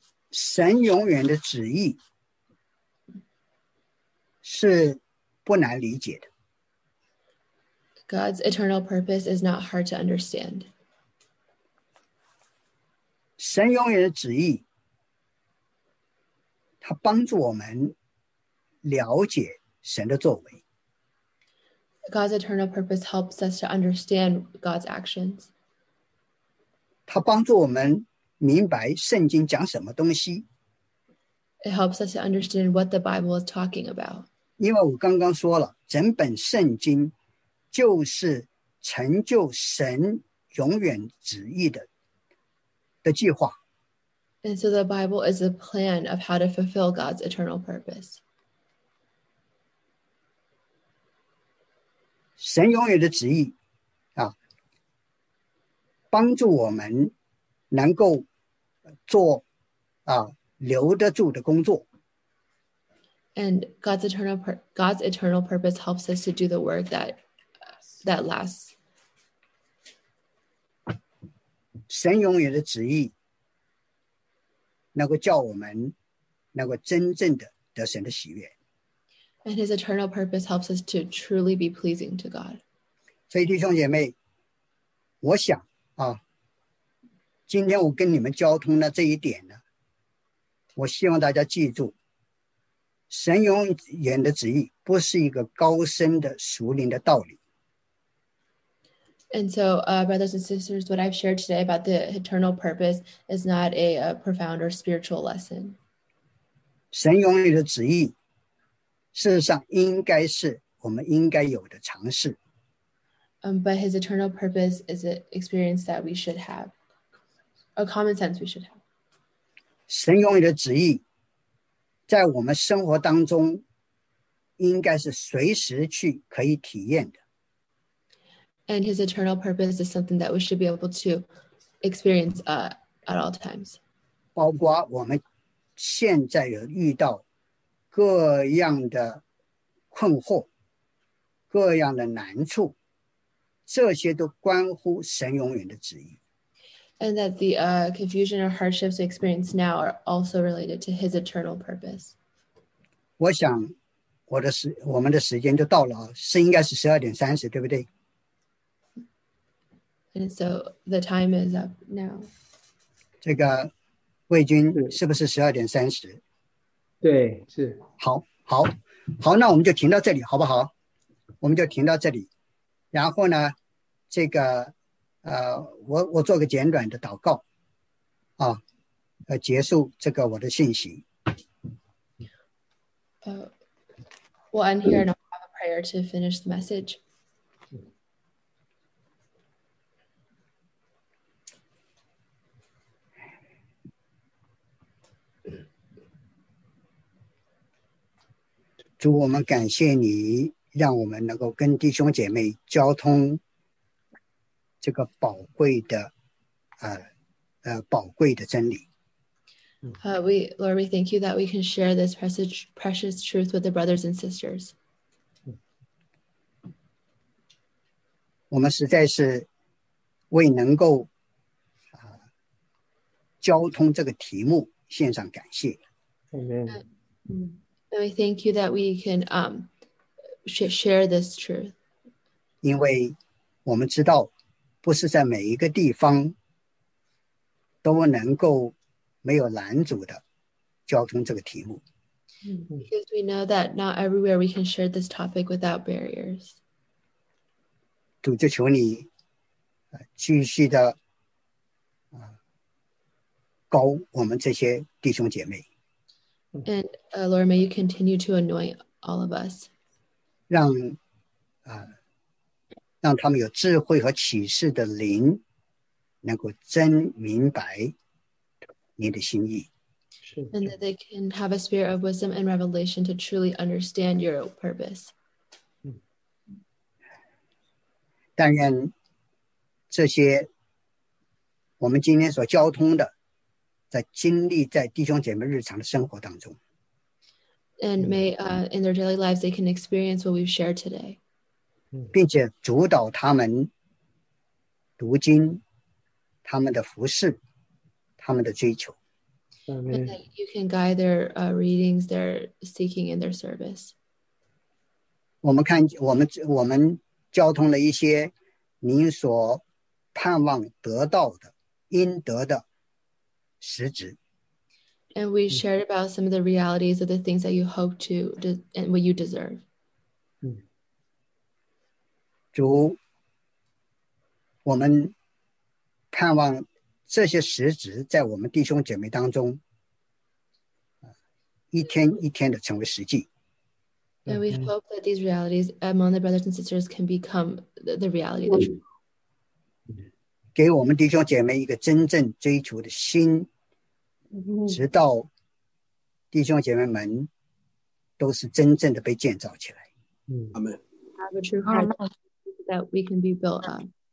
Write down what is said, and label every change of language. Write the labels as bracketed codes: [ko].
[zh] 神永远的旨意是不难理解的。 [en] God's eternal purpose is not hard to understand. [zh] 神永远的旨意，他帮助我们了解神的作为。 [en] God's eternal purpose helps us to understand God's actions. [zh] 他帮助我们明白圣经讲什么东西。 [en] It helps us to understand what the Bible is talking about. [zh] 因为我刚刚说了，整本圣经就是成就神永远旨意的计划。 [en] And so the Bible is a plan of how to fulfill God's eternal purpose. [zh] 神永远的旨意啊，帮助我们能够做啊留得住的工作。 [en] And God's eternal purpose helps us to do the work that lasts. [zh] 神永远的旨意能够叫我们能够真正的得神的喜悦。 [en] And his eternal purpose helps us to truly be pleasing to God. [zh] 所以弟兄姐妹，我想啊，今天我跟你们交通的这一点呢，我希望大家记住，神永远的旨意不是一个高深的属灵的道理。 [en] And so, brothers and sisters, what I've shared today about the eternal purpose is not a profound or spiritual lesson. [zh] 神永远的旨意，事实上应该是我们应该有的尝试。 [en] But his eternal purpose is an experience that we should have, a common sense we should have. [zh] 神永远的旨意，在我们生活当中，应该是随时去可以体验的。 [en] And his eternal purpose is something that we should be able to experience at all times. [zh] 包括我们现在有遇到各样的困惑，各样的难处，这些都关乎神永远的旨意。 [en] And that the confusion or hardships we experience now are also related to his eternal purpose. [zh] 我想我们的时间就到了，是应该是12:30，对不对？ [en] And so the time is up now. [zh] 这个魏军是不是12:30？对，是。好，好，好，那我们就停到这里，好不好？我们就停到这里。然后呢，这个我做个简短的祷告，啊，结束这个我的信息。 [en] We'll end here and I'll have a prayer to finish the message. [zh] 主，我们感谢你，让我们能够跟弟兄姐妹交通这个宝贵的宝贵的真理。 [en] Lord, we thank you that we can share this precious truth with the brothers and sisters. [zh] 我们实在是为能够交通这个题目献上感谢。 [en] Amen. And we thank you that we can share this truth. [zh] 因为我们知道不是在每一个地方都能够没有拦阻的交通这个题目。 [en] Because we know that not everywhere we can share this topic without barriers. [zh] 主，就求你继续的高我们这些弟兄姐妹。 [en] And Lord, may you continue to anoint all of us. [zh] 让他们有智慧和启示的灵，能够真明白你的心意。 [en] And that they can have a spirit of wisdom and revelation to truly understand your purpose. [zh] 但愿这些我们今天所交通的，在经历在弟兄姐妹日常的生活当中。 [en] And may in their daily lives they can experience what we've shared today. [zh] 并且主导他们读经，他们的服事，他们的追求。 [en] And that you can guide their readings, their seeking, and their service. [zh] 我们交通了一些您所盼望得到的应得的实质。 [en] And we shared about some of the realities of the things that you hope to and what you deserve. [zh] 主，我们盼望这些实质在我们弟兄姐妹当中一天一天的成为实际。 [en] And we hope that these realities among the brothers and sisters can become the reality. [zh] 给我们弟兄姐妹一个真正追求的心，直到弟兄姐妹们都是真正的被建造起来。阿们。 [en] Have a true heart. that we can be built on.